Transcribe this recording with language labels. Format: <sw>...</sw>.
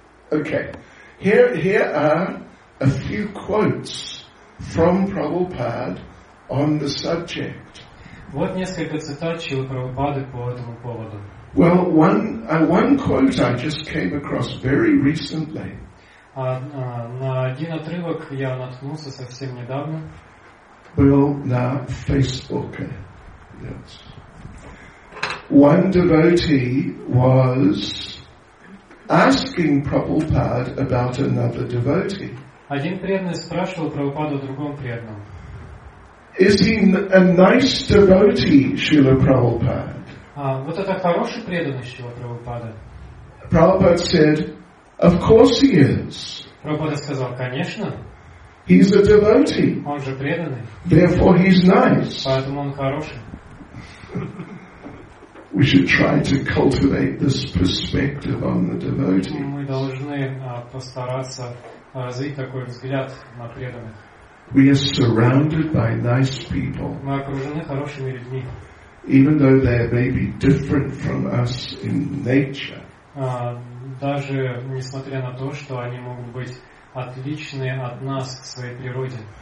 <en>Okay, here are a few quotes from Prabhupada on the subject.</en> <ru>Вот несколько цитат Шрилы Прабхупады по этому поводу.</ru> <en>Well, one quote I just came across very recently.</en> <ru>На один отрывок я наткнулся совсем недавно. Был на Фейсбуке.</ru> <en>Yes. One devotee was asking Prabhupada about another devotee.</en> <ru>Один преданный спрашивал Прабхупаду о другом преданном.</ru> <en>Is he a nice devotee, Srila Prabhupada?</en> <ru>Вот это хороший преданный Srila Prabhupada.</ru> <en>Prabhupada said, of course he is.</en> <ru>Прабхупада сказал, конечно.</ru> <en>He's a devotee.</en> <ru>Он же преданный.</ru> <en>Therefore he's nice.</en> <ru>Поэтому он хороший.</ru> <en>We should try to cultivate this perspective on the devotee.</en> <ru>Мы должны постараться развить такой взгляд на преданных.</ru> <en>We are surrounded by nice people.</en> <ru>Мы окружены хорошими людьми.</ru> <en>Even though they may be different from us in nature.</en> <ru>Даже несмотря на то, что они могут быть отличны от нас в своей природе.</ru>